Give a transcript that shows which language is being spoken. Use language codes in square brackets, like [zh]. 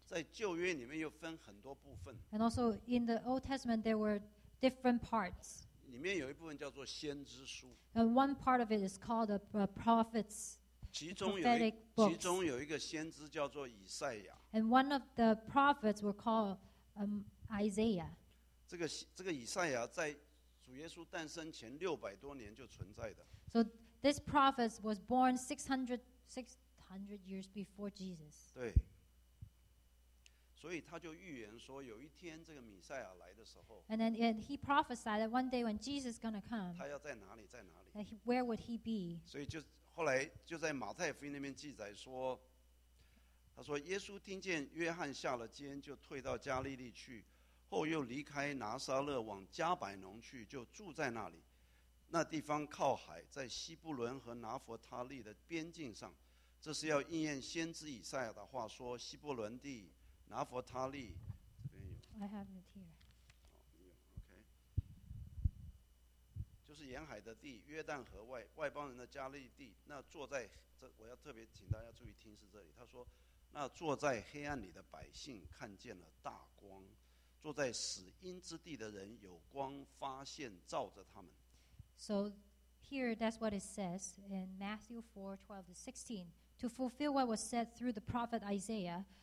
[zh] 在旧约里面又分很多部分。 [en] And also in the Old Testament there were different parts. [zh] 里面有一部分叫做先知书。 [en] And one part of it is called the prophets. [zh] 其中有一个先知叫做以赛亚。 [en] And one of the prophets were called Isaiah. [zh] 这个以赛亚在主耶稣诞生前600多年就存在的。 [en] So this prophet was born 600 600 years before Jesus. [zh] 对，所以他就预言说，有一天这个弥赛亚来的时候 [en] ，and then and he prophesied that one day when Jesus is going to come， [zh] 他要在哪里，在哪里 [en] ？And he, where would he be？ [zh] 所以就后来就在马太福音那边记载说，他说耶稣听见约翰下了监，就退到加利利去，后又离开拿撒勒往加百农去，就住在那里。那地方靠海，在西布伦和拿弗他利的边境上。这是要应验先知以赛亚的话，说西布伦地。拿弗他利，这边有。 [en] I have it here. [zh] 哦，有 ，OK。就是沿海的地，约旦河外外邦人的加利地。那坐在这，我要特别请大家注意听，是这里。他说，那坐在黑暗里的百姓看见了大光，坐在死荫之地的人有光发现照着他们。 [en] So here, that's what it says in Matthew 4:12-16, to fulfill what was said through the prophet Isaiah.